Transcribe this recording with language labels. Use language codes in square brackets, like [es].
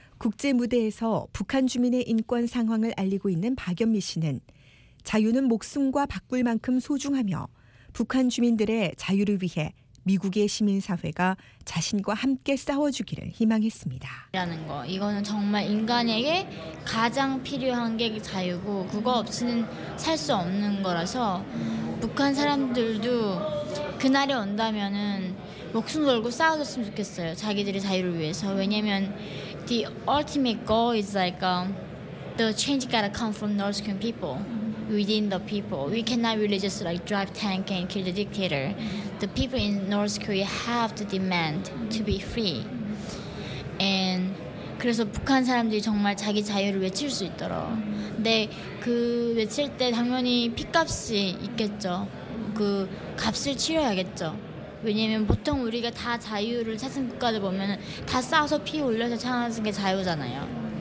[ko] 국제 무대에서 북한 주민의 인권 상황을 알리고 있는 박연미 씨는 자유는 목숨과 바꿀 만큼 소중하며 북한 주민들의 자유를 위해 미국의 시민사회가 자신과 함께 싸워주기를 희망했습니다. 라는 거, 이거는 정말 인간에게 가장 필요한 게 자유고 그거 없이는 살 수 없는 거라서 북한 사람들도 그날이 온다면은 목숨 걸고 싸워줬으면 좋겠어요. 자기들의 자유를 위해서. [en] 왜냐면 the ultimate goal is like the change gotta come from North Korean people. Within the people, we cannot really just like drive tank and kill the dictator. The people in North Korea have to demand to be free. [ko] And 그래서 북한 사람들이 정말 자기 자유를 외칠 수 있도록. 근데 그 외칠 때 당연히 피값이 있겠죠. 그 값을 치러야겠죠. 왜냐면 보통 우리가 다 자유를 찾은 국가들 보면 다 싸워서 피 올려서 찾는 게 자유잖아요.